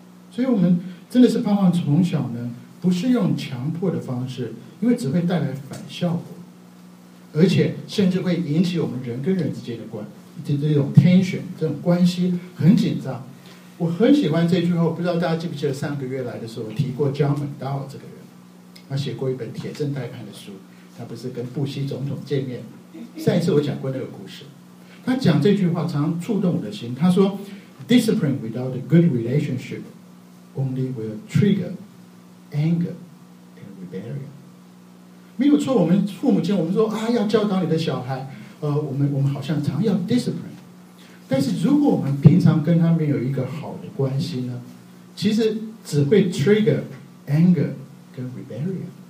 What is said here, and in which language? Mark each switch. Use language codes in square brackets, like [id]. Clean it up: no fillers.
[zh] 所以我们真的是盼望从小呢，不是用强迫的方式，因为只会带来反效果，而且甚至会引起我们人跟人之间的关，这种 tension， 这种关系很紧张。我很喜欢这句话，我不知道大家记不记得上个月来的时候我提过 John McDowell 这个人，他写过一本铁证待判的书，他不是跟布希总统见面，上一次我讲过那个故事，他讲这句话常常触动我的心。他说 [en] discipline without a good relationship only will trigger anger and rebellion. [zh] 没有错，我们父母亲，我们说啊，要教导你的小孩，我们好像常要 discipline， 但是如果我们平常跟他没有一个好的关系呢，其实只会 trigger anger 跟 rebellion。